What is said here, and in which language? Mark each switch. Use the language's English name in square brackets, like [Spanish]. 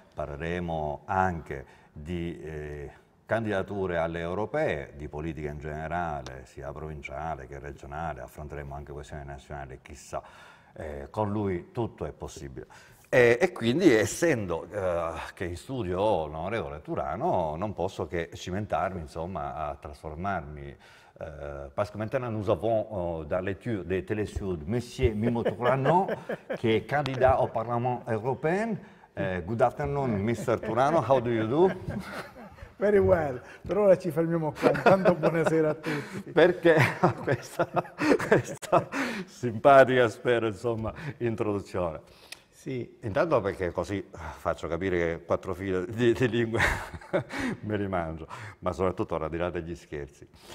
[Italian] Parleremo anche di candidature alle europee, di politica in generale, sia provinciale che regionale. Affronteremo anche questioni nazionali, chissà, con lui tutto è possibile. E quindi, essendo che in studio ho l'onorevole Turano, non posso che cimentarmi, insomma, a trasformarmi. [French] Parce que maintenant nous avons dans l'étude des télésud, Monsieur Mimmo Turano, [Italian] che è candidato [French] au Parlement européen. [English] Good afternoon, Mr. Turano, how do you do? Very well, [Italian] per ora ci fermiamo qua. Intanto buonasera a tutti. Perché questa simpatica, spero, insomma, introduzione. Sì. Intanto perché così faccio capire che quattro file di lingue me li mangio, ma soprattutto ora, al di là degli scherzi.